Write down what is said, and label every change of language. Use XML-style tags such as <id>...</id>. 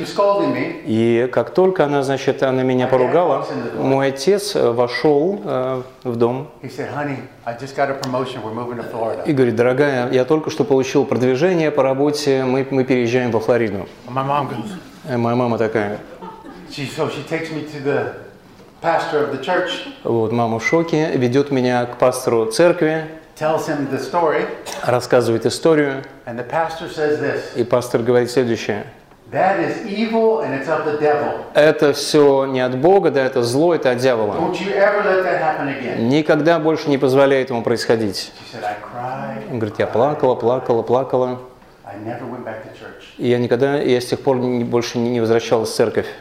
<en>She was scolding me,</en> <ru>и как только она, значит, она меня поругала, мой отец вошел в дом.</ru> <en>He said, honey, I just got a promotion. We're moving to Florida.</en> <ru>И говорит, дорогая, я только что получил продвижение по работе, мы переезжаем во Флориду.</ru> <en>My mom goes,</en> <ru>и моя мама такая.</ru> <en>She takes me to the pastor of the church.</en> <ru>Вот мама в шоке, ведет меня к пастору церкви.</ru> <en>Tells him the story.</en> <ru>Рассказывает историю.</ru> <en>And the pastor says this.</en> <ru>И пастор говорит следующее.</ru> <en>That is evil and it's of the devil.</en> <ru>Это все не от Бога, да, это зло, это от дьявола.</ru> <en>Don't you ever let that happen again.</en> <ru>Никогда больше не позволяй этому происходить.</ru> <en>She said, I cried.</en> <ru>Он говорит, я плакала.</ru> <en>I never went back to church.</en> <ru>И я с тех пор больше не возвращалась в церковь.</ru>